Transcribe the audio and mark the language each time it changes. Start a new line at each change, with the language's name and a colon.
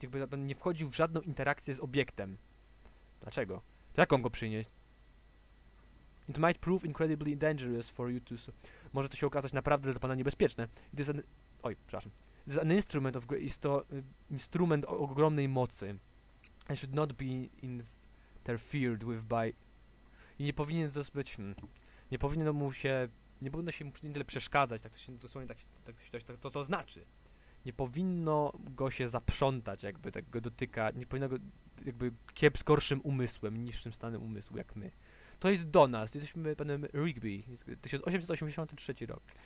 Polish: By nie wchodził w żadną interakcję z obiektem. Dlaczego? To jak on go przynieść?
English: It might prove incredibly dangerous for you to...
Polish: Może to się okazać naprawdę dla pana niebezpieczne.
English: It is an instrument of great...
Polish: Jest to instrument o ogromnej mocy.
English: I should not be interfered with by...
Polish: I nie powinien zostać... Nie powinno mu się... Nie powinno się mu nie tyle przeszkadzać, tak to się dosłownie to znaczy. Nie powinno go się zaprzątać, jakby tak go dotyka. Nie powinno go jakby kiepsko gorszym umysłem, niższym stanem umysłu jak my. To jest do nas, jesteśmy panem Rigby, 1883 rok.